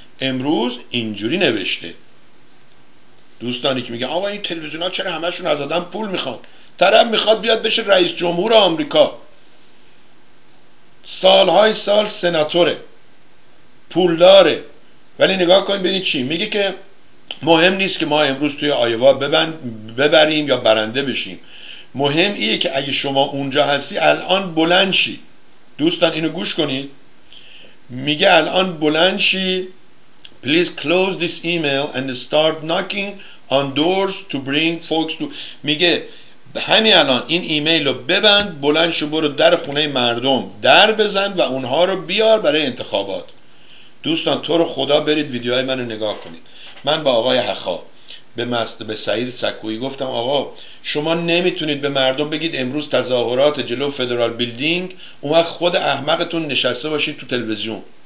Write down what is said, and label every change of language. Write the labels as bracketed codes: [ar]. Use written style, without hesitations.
[fa] امروز اینجوری نوشته، دوستانی که میگن آقا این تلویزیون ها چرا همشون از آدم پول میخوان، طرف میخواد بیاد بشه رئیس جمهور آمریکا، سالهای سال سناتوره، پول داره، ولی نگاه کنیم ببین چی میگه، که مهم نیست که ما امروز توی آیوا ببریم یا برنده بشیم، مهم ایه که اگه شما اونجا هستی الان بلند شی. دوستان اینو گوش کنید، میگه الان بلند شی. [en] Please close this email and start knocking on doors to bring folks to. [fa] میگه همین الان این ایمیل رو ببند، بلند شو برو در خونه مردم در بزن و اونها رو بیار برای انتخابات. دوستان تو رو خدا برید ویدیوهای منو نگاه کنید. من با آقای حخا به سعید سکویی گفتم آقا شما نمیتونید به مردم بگید امروز تظاهرات جلو فدرال بیلدینگ، اون وقت خود احمقتون نشسته باشید تو تلویزیون.